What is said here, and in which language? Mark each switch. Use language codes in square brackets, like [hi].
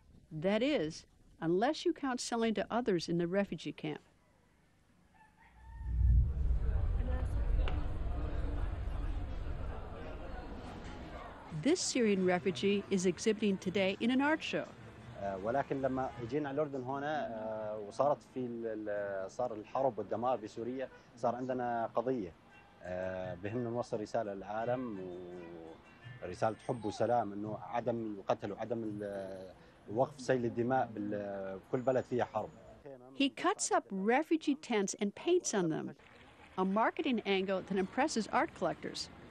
[en] That is, unless you count selling to others in the refugee camp. This Syrian refugee is exhibiting today in an art show. [ar] ولكن لما اجينا على الاردن هنا وصارت في صار الحرب والدمار بسوريا صار عندنا قضيه بهمنا نوصل رساله للعالم ورساله حب وسلام انه عدم القتل وعدم وقف سيل الدماء بكل بلد فيها حرب. [en] He cuts up refugee tents and paints on them, a marketing angle that impresses art collectors.